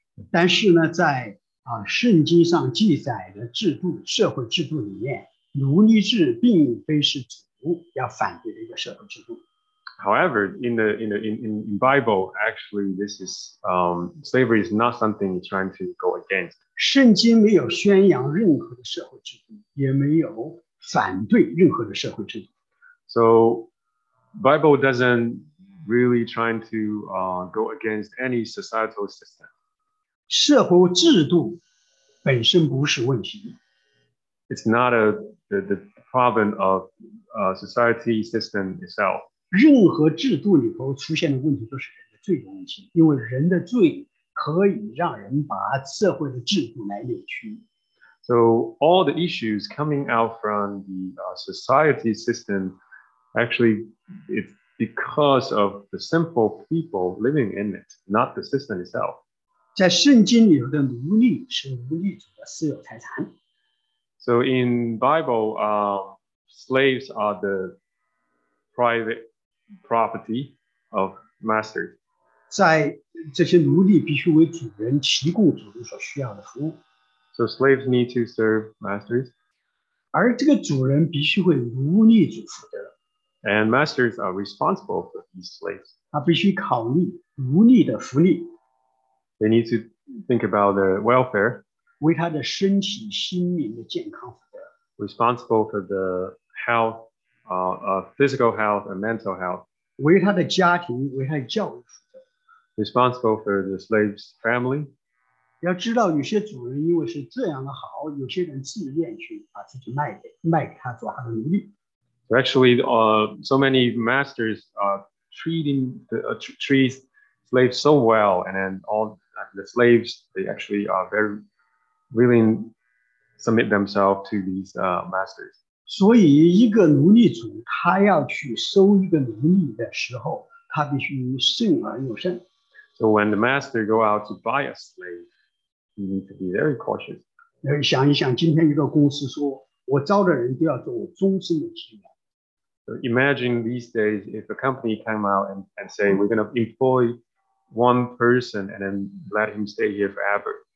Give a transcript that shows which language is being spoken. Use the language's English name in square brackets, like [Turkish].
[Chinese] 但是呢，在圣经上记载的制度、社会制度里面，奴隶制并非是主要反对的一个社会制度。 [English] However, in Bible, actually, this is slavery is not something you're trying to go against. [Chinese] 圣经没有宣扬任何的社会制度，也没有反对任何的社会制度。 [English] So, Bible doesn't really trying to go against any societal system. [Chinese] 社会制度本身不是问题。 [English] It's not the problem of society system itself. [Chinese] 任何制度里头出现的问题都是人的罪的问题，因为人的罪可以让人把社会的制度来扭曲。 [English] So all the issues coming out from the society system, actually, it's because of the simple people living in it, not the system itself. [Chinese] 在圣经里头的奴隶是奴隶主的私有财产。 [English] So in Bible, slaves are the private property of masters. [Chinese] 在这些奴隶必须为主人提供主人所需要的服务。 [English] So slaves need to serve masters. [Chinese] 而这个主人必须为奴隶主负责。 [English] And masters are responsible for these slaves. [Chinese] 他必须考虑奴隶的福利。 [English] They need to think about their welfare. [Chinese] 为他的身体、心灵的健康负责 [English] ，responsible for the health, physical health and mental health. [Chinese] 为他的家庭、为他的教育负责 [English] ，responsible for the slave's family. [Chinese] 要知道，有些主人因为是这样的好，有些人自愿去把自己卖给他做他的奴隶。 [English] So actually, so many masters are treating treat slaves so well, and then all the slaves they actually are very willing submit themselves to these masters. [Chinese] 所以一个奴隶主他要去收一个奴隶的时候，他必须慎而又慎。 [English] So when the master go out to buy a slave, he needs to be very cautious. [Chinese] 想一想，今天一个公司说，我招的人都要做我终身的职员。 [English] Imagine these days if a company came out and say, we're going to employ one person and then let him stay here forever.